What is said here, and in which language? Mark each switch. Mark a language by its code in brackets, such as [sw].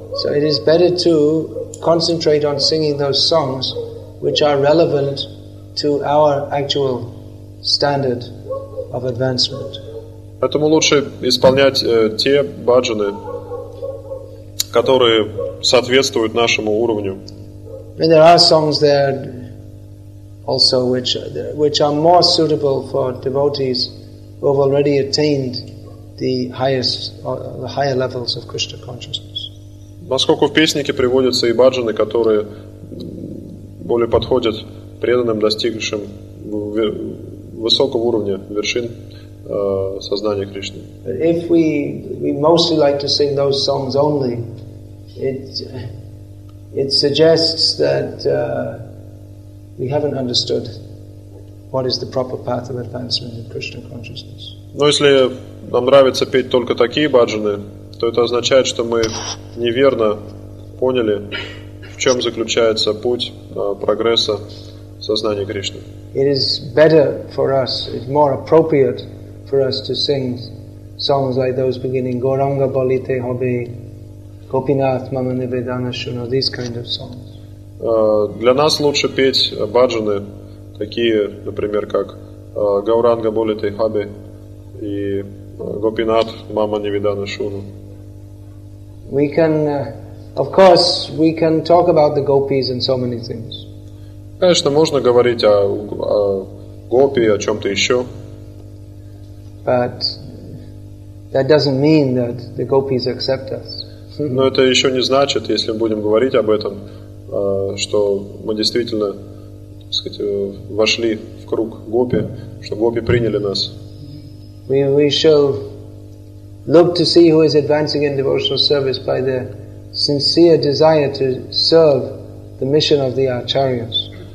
[en] So it is better to concentrate on singing those songs which are relevant to our actual standard of advancement. [ru] Поэтому лучше исполнять те баджаны, которые соответствуют нашему уровню. [en] And there are songs there also which are more suitable for devotees who have already attained the higher levels of Krishna consciousness. [ru] Поскольку в песнике приводятся и баджаны, которые более подходят преданным, достигшим высокого уровня вершин сознания Кришны. [en] If we mostly like to sing those songs only, it suggests that we haven't understood what is the proper path of advancement in Krishna consciousness. [ru] Но если нам нравится петь только такие баджаны, то это означает, что мы неверно поняли, в чем заключается путь прогресса сознания Кришны. [en] It is better for us, it's more appropriate for us to sing songs like those beginning Goranga Balite Hobe, Gopinath Mama Nivedana Shuno, these kind of songs. [ru] Для нас лучше петь баджаны, такие, например, как Гауранга Болите Хаби и Гопинат Мама Нивидана Шуну. [en] We can, of course, we can talk about the gopis and so many things. [ru] Конечно, можно говорить о гопи, о чем-то еще. [en] But that doesn't mean that the gopis accept us. [ru] Но это еще не значит, если мы будем говорить об этом, что мы действительно, так сказать, вошли в круг гопи, что гопи приняли нас. [en] We shall look to see who is advancing in devotional service by the sincere desire to serve the mission of the acharyas.